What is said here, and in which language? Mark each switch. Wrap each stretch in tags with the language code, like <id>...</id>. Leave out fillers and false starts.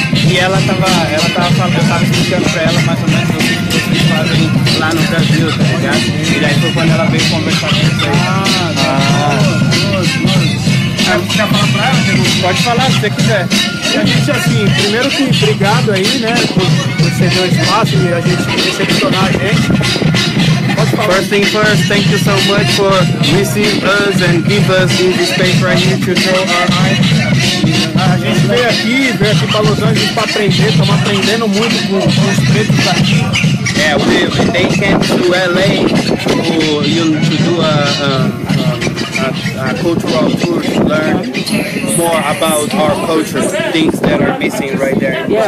<pt>E ela tava falando, eu tava explicando pra ela mais ou menos o que vocês fazem lá no Brasil, tá ligado? E aí foi quando ela veio conversar com você. Quer falar pra ela? Pode falar, se você quiser. E a gente, assim, primeiro que obrigado aí, né, por ser deu espaço e a gente recepcionar a gente.</pt> <en>First thing first, thank you so much for receiving us and give us this space right here to show our eyes.</en> <pt>A gente veio aqui para Los Angeles para aprender, estamos aprendendo muito com os pretos aqui.</pt> <en>Yeah, they came to LA to do a cultural tour to learn more about our culture, things that are missing right there.</en>